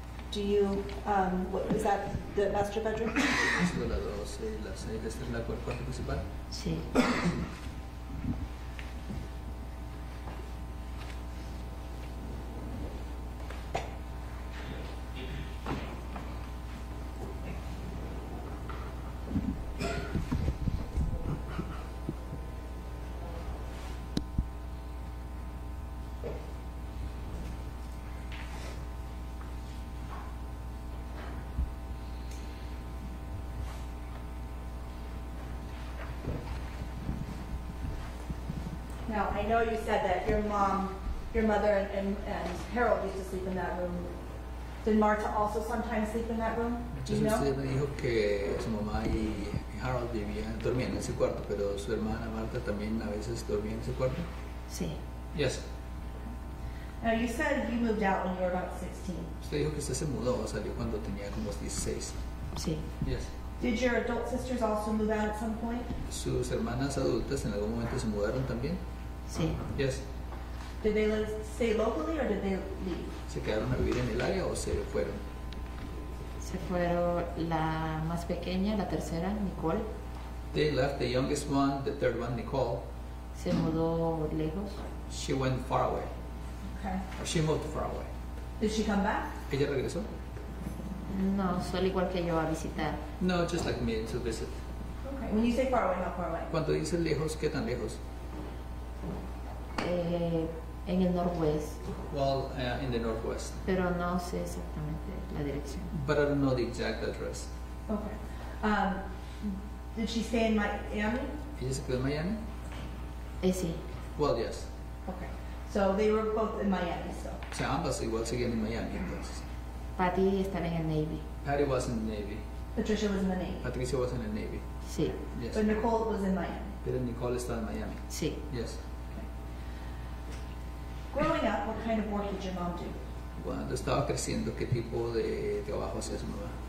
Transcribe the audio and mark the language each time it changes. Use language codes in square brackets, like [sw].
[en] Do you, what is that, the master bedroom? [es] Es la 12, la 6, esta es la cuarta principal? Sí. [en] I know you said that your mom, your mother, and Harold used to sleep in that room. Did Marta also sometimes sleep in that room? [es] Me dijo que su mamá y Harold dormían en ese cuarto, pero su hermana Marta también a veces dormía en ese cuarto. Sí. [en] Yes. Now you said you moved out when you were about 16. [es] Usted dijo que usted se mudó, salió cuando tenía como 16. Sí. [en] Yes. Did your adult sisters also move out at some point? [es] Sus hermanas adultas en algún momento se mudaron también. Sí. [en] Yes. Did they stay locally or did they leave? [es] ¿Se quedaron a vivir en el área o se fueron? Se fueron la más pequeña, la tercera, Nicole. [en] They left the youngest one, the third one, Nicole. [es] Se mudó lejos. [en] She went far away. Okay. Or she moved far away. Did she come back? [es] ¿Ella regresó? No, solo igual que yo a visitar. [en] No, just like me to visit. Okay. When you say far away, how far away? [es] Cuando dice lejos, ¿qué tan lejos? En el northwest. [en] Well, in the northwest. [es] Pero no sé exactamente la dirección. [en] But I don't know the exact address. Okay. Did she stay in Miami? [es] Ella se quedó en Miami. Sí. [en] Well, yes. Okay. So they were both in Miami, so. [es] O sea, ambas igual siguen en Miami, entonces. Patty estaba en el Navy. [en] Patty was in the Navy. Patricia was in the Navy. Patricia was in the Navy. [es] Sí. [en] Yes. But Nicole was in Miami. [es] Pero Nicole estaba en Miami. Sí. [en] Yes. Growing up, what kind of work did your mom do? [es] Cuando estaba creciendo, ¿qué tipo de trabajo hacía su mamá?